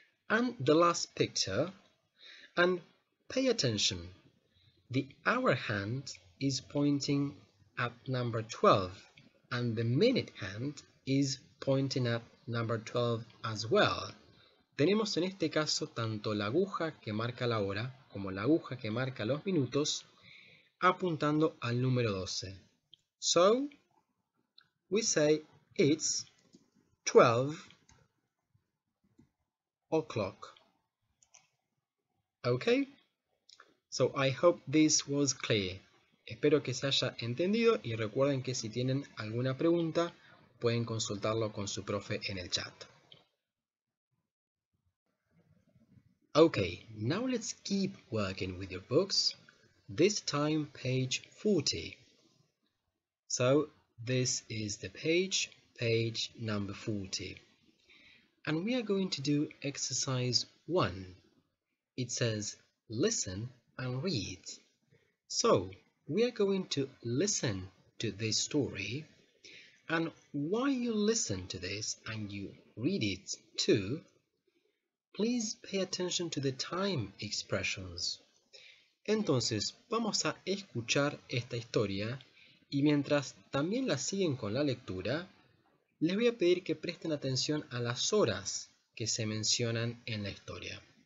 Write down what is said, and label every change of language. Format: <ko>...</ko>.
<en>And the last picture. And pay attention. The hour hand is pointing at number 12, and the minute hand is pointing at number 12 as well.</en> <es>Tenemos en este caso tanto la aguja que marca la hora como la aguja que marca los minutos apuntando al número 12.</es> <en>So, we say it's 12 o'clock. Okay? So, I hope this was clear.</en> <es>Espero que se haya entendido y recuerden que si tienen alguna pregunta, pueden consultarlo con su profe en el chat.</es> <en>Okay, now let's keep working with your books. This time page 40. So this is the page number 40. And we are going to do exercise 1. It says listen and read. So we are going to listen to this story. And while you listen to this and you read it too, please pay attention to the time expressions.</en> <es>Entonces, vamos a escuchar esta historia y mientras también la siguen con la lectura, les voy a pedir que presten atención a las horas que se mencionan en la historia.</es>